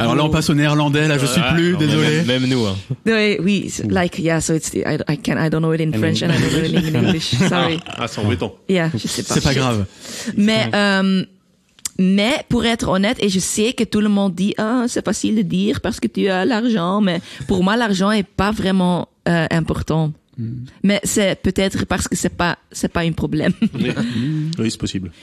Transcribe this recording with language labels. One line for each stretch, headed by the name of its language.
French: Alors là, on passe au néerlandais, là, je suis plus, désolé. Même nous, hein.
English: Oui, like, yeah, so it's, I don't know it in French and I don't know it in English. Sorry.
French: Ah, c'est embêtant. Yeah, je sais pas. C'est pas grave. Mais, pour être honnête, et je sais que tout le monde dit, ah, c'est facile de dire parce que tu as l'argent, mais pour moi, l'argent est pas vraiment important. Mais c'est peut-être parce que c'est pas un problème. Oui, c'est possible.